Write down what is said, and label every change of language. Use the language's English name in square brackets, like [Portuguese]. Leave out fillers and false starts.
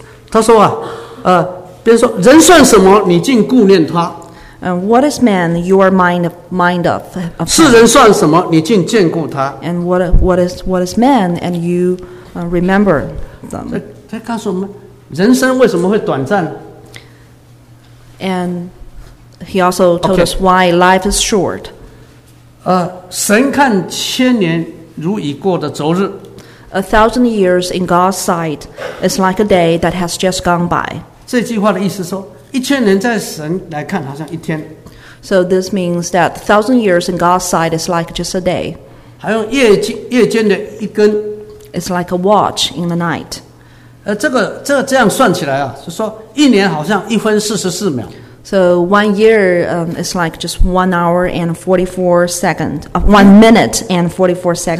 [Chinese] 他说啊，别说人算什么，你竟顾念他。 [English] And what is man? You are mind of. [Chinese] 世人算什么，你竟眷顾他。 [English] And what is man? And you remember them. [Chinese] 在告诉我们，人生为什么会短暂？ [English] And he also told us why life is short. [Chinese] 神看千年如已过的昨日。 [English] A thousand years in God's sight is like a day that has just gone by. [Chinese] 这句话的意思说，一千年在神来看好像一天。 [English] So this means that a thousand years in God's sight is like just a day. [Chinese] 还用夜间的一根。 [English] It's like a watch in the night. [Chinese] 这个这样算起来啊，就说一年好像一分四十四秒。 [English] So one year is like just 1 hour and 44 seconds, one minute and 44 seconds.